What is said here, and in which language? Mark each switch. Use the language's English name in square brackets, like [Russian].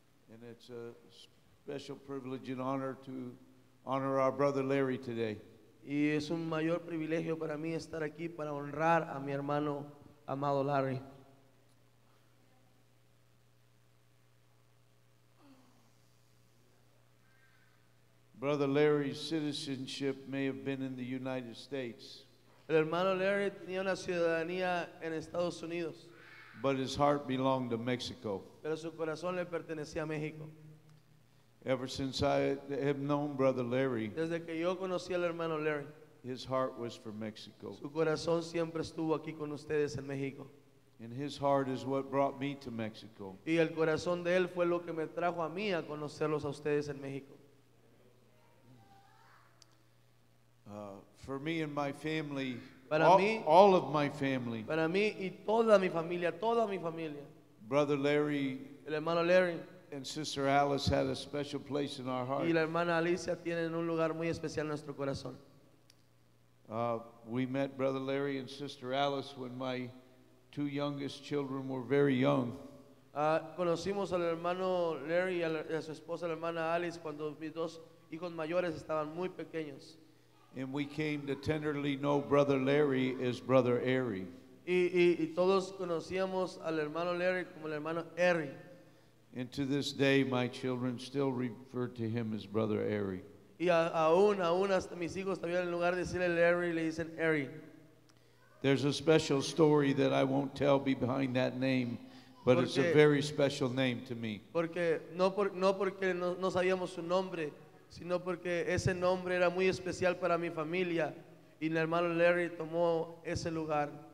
[English] And it's a special privilege and honor to honor our brother Larry today. [Spanish] Y es un mayor privilegio para mí estar aquí para honrar a mi hermano amado Larry. [English] Brother Larry's citizenship may have been in the United States. [Spanish] El hermano Larry tenía una ciudadanía en Estados Unidos. [English] But his heart belonged to Mexico. [Spanish] Pero su corazón le pertenecía a México. [English] Ever since I have known Brother Larry, [Spanish] desde que yo conocí al hermano Larry, [English] his heart was for Mexico. [Spanish] Su corazón siempre estuvo aquí con ustedes en México. [English] And his heart is what brought me to Mexico. [Spanish] Y el corazón de él fue lo que me trajo a mí a conocerlos a ustedes en México. [English] For me and my family, [Spanish] para [English] all of my family, [Spanish] para mí y toda mi familia, [English] Brother Larry, [Spanish] el hermano Larry, [English] and Sister Alice had a special place in our hearts. [Spanish] Y la hermana Alicia tiene un lugar muy especial en nuestro corazón. [English] We met Brother Larry and Sister Alice when my two youngest children were very young. [Spanish] Conocimos al hermano Larry y a su esposa, la hermana Alice, cuando mis dos hijos mayores estaban muy pequeños. [English] And we came to tenderly know Brother Larry as Brother Harry. [Spanish] Y todos conocíamos al hermano Larry como el hermano Harry. [English] And to this day, my children still refer to him as Brother Harry. [Spanish] Y aún hasta mis hijos todavía en lugar de decirle Larry le dicen Harry. [English] There's a special story that I won't tell behind that name, but it's a very special name to me. [Spanish] Porque no sabíamos su nombre, sino porque ese nombre era muy especial para mi familia y el hermano Larry tomó ese lugar.